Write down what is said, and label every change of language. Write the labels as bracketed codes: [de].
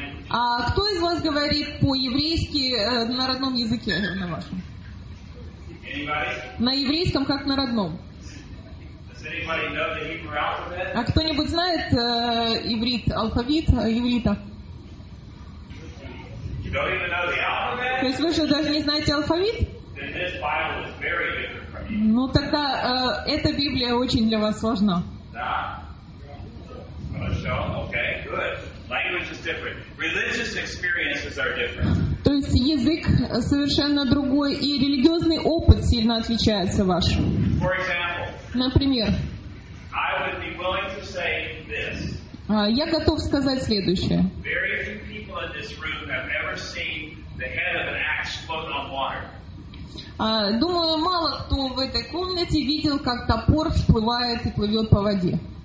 [ru] А кто из вас говорит по-еврейски на родном языке, на вашем? [en] Anybody? [ru] На еврейском, как на родном. [en] Does anybody know the Hebrew alphabet? [ru] А кто-нибудь знает иврит, алфавит иврита? [en] You don't even know the alphabet? [ru] То есть вы же даже не знаете алфавит? [en] Then this Bible is very different from you. [ru] Ну тогда эта Библия очень для вас сложна. [en] Да. Okay, good. Language is different. Religious experiences are different. [ru] То есть язык совершенно другой, и религиозный опыт сильно отличается ваш. [en] For example, [ru] например, [en] I would be willing to say this. [ru] Я готов сказать следующее. [en] Very few people in this room have ever seen the head of an axe float on water. [ru] Думаю, мало кто в этой комнате видел, как топор всплывает и плывет по воде.